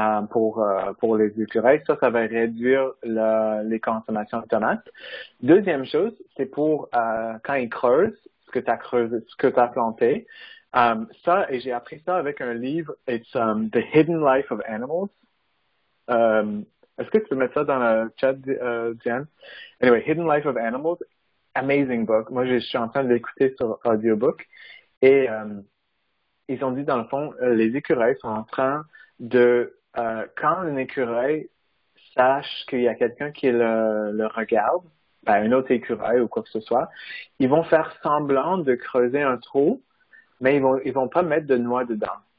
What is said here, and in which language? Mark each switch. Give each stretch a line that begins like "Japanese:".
French: Pour les écureuils, ça va réduire les consommations de tomates. Deuxième chose, c'est pour quand ils creusent ce que tu as planté. Ça, et j'ai appris ça avec un livre, It's The Hidden Life of Animals. Est-ce que tu peux mettre ça dans le chat, Diane?
English: Anyway, Hidden Life of Animals, amazing book.
French: Moi, je suis en train de l'écouter sur audiobook. Et ils ont dit, dans le fond, les écureuils sont en train de quand un écureuil sache qu'il y a quelqu'un qui le regarde, ben, un autre écureuil ou quoi que ce soit, ils vont faire semblant de creuser un trou, mais ils vont pas mettre de noix dedans.